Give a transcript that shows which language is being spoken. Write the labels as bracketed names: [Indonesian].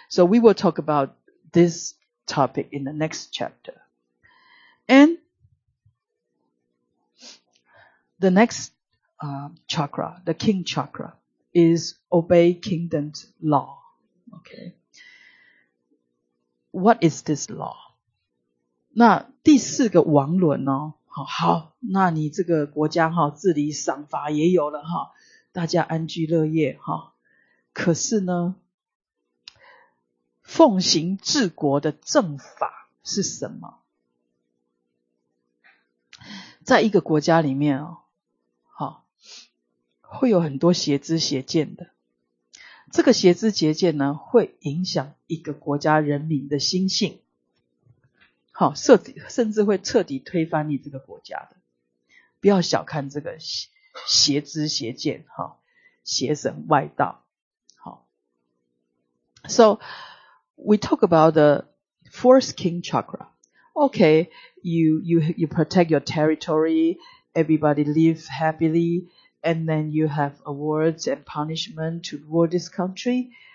[English] So we will talk about this topic in the next chapter. And the next chakra, the king chakra, is obey kingdom's law. Okay. What is this law? [Chinese] 那第四个王伦呢，好，那你这个国家哈，治理赏罚也有了哈，大家安居乐业哈，可是呢，奉行治国的政法是什么？在一个国家里面哦，好，会有很多邪知邪见的。这个邪知邪见呢，会影响一个国家人民的心性。好，甚至会彻底推翻你这个国家的。不要小看这个邪知邪见，邪神外道。 [English] 好 So we talk about the fourth king chakra. Okay, you protect your territory, everybody live happily, and then you have awards and punishment toward this country.